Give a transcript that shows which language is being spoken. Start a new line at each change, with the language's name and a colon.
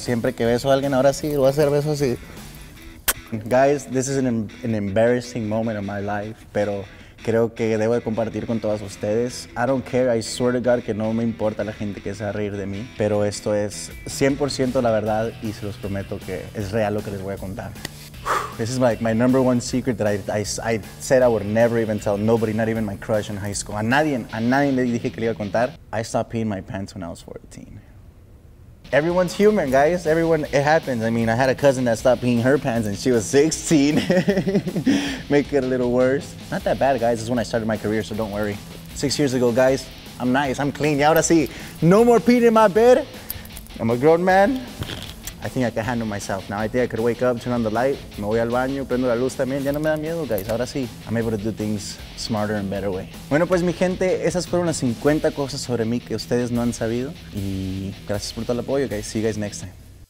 Spanish: Siempre que beso a alguien, ahora sí, voy a hacer beso así.
English: Guys, this is an embarrassing moment of my life,
Spanish: pero creo que debo de compartir con todas ustedes.
English: I don't care, I swear to God
Spanish: que no me importa la gente que se va a reír de mí, pero esto es 100% la verdad y se los prometo que es real lo que les voy a contar.
English: This is like my number one secret that I said I would never even tell nobody, not even my crush in high school.
Spanish: A nadie le dije que le iba a contar.
English: I stopped peeing my pants when I was 14. Everyone's human, guys. Everyone, it happens. I mean, I had a cousin that stopped peeing her pants and she was 16. Make it a little worse. Not that bad, guys. This is when I started my career, so don't worry. 6 years ago, guys, I'm nice. I'm clean.
Spanish: Y ahora sí,
English: no more peeing in my bed. I'm a grown man. I think I can handle myself. Now I think I could wake up, turn on the light,
Spanish: me voy al baño, prendo la luz también, ya no me da miedo,
English: guys.
Spanish: Ahora sí,
English: I'm able to do things smarter and better way.
Spanish: Bueno, pues mi gente, esas fueron las 50 cosas sobre mí que ustedes no han sabido. Y gracias por todo el apoyo, guys.
English: See you guys next time.